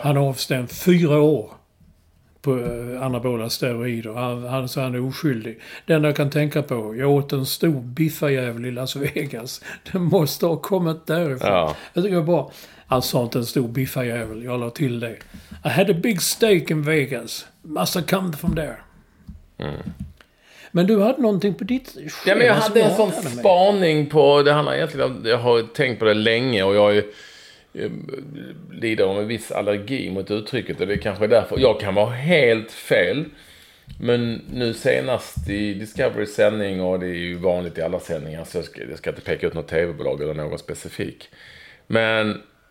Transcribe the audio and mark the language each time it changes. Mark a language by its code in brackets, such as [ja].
[sv] han har avstängt 4 år på anabola steroider. Han är oskyldig. Den jag kan tänka på, jag åt en stor biffajävel i Las Vegas. Den måste ha kommit därifrån. Ja. Jag tycker bara... Han sa inte en stor biffajävel, jag la till det. [en] I had a big steak in Vegas. Must have come from there. [sv] Men du hade någonting på ditt schema. Ja, men jag hade en sån spaning på... Det handlar egentligen om, jag har tänkt på det länge och jag lider av en viss allergi mot uttrycket. Och det är kanske därför. Jag kan vara helt fel. Men nu senast i Discovery-sändning, och det är ju vanligt i alla sändningar, så jag ska inte peka ut något tv-bolag eller någon specifik. Men...